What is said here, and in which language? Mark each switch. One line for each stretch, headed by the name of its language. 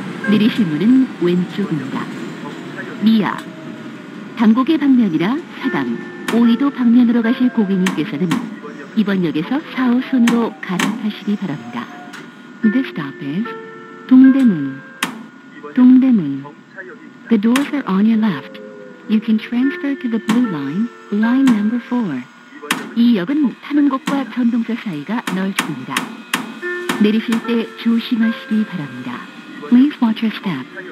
Korean: 내리실 문은 왼쪽입니다. 미아, 당국의 방면이라 사당, 오이도 방면으로 가실 고객님께서는 이번 역에서 4호선으로 갈아타시기 바랍니다.
English: This stop is 동대문.
Korean: 동대문.
English: The doors are on your left. You can transfer to the blue line, line number 4.
Korean: 이 역은 타는 곳과 전동사 사이가 넓습니다. 내리실 때 조심하시기 바랍니다.
English: Please watch your step.